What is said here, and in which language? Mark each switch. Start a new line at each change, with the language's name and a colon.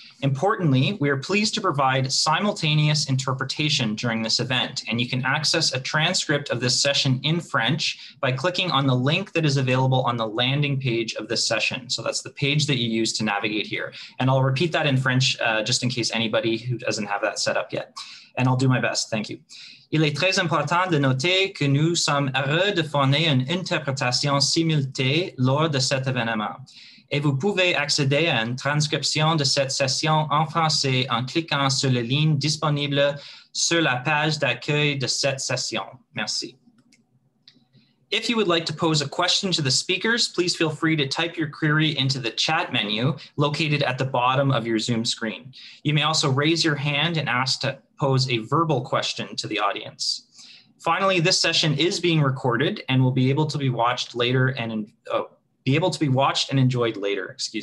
English: Importantly, we are pleased to provide simultaneous interpretation during this event, and you can access a transcript of this session in French by clicking on the link that is available on the landing page of this session. So that's the page that you use to navigate here. And I'll repeat that in French just in case anybody who doesn't have that set up yet. And I'll do my best, thank you.
French: Il est très important de noter que nous sommes heureux de fournir une interprétation simultanée lors de cet événement. Et vous pouvez accéder à une transcription de cette session en français en cliquant sur le lien disponible sur la page d'accueil de cette session. Merci.
English: If you would like to pose a question to the speakers, please feel free to type your query into the chat menu located at the bottom of your Zoom screen. You may also raise your hand and ask to pose a verbal question to the audience. Finally, this session is being recorded and will be able to be watched later and enjoyed later.